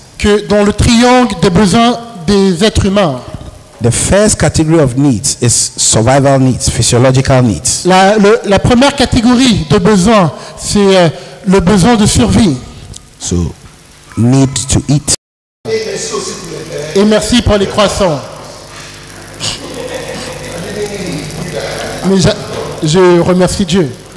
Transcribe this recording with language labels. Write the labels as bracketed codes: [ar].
[fr] Que dans le triangle des besoins des êtres humains. [en] The first category of needs is survival needs, physiological needs. [fr] La première catégorie de besoins, c'est le besoin de survie. [en] So, need to eat. [fr] Et merci pour les croissants. Mais je remercie Dieu.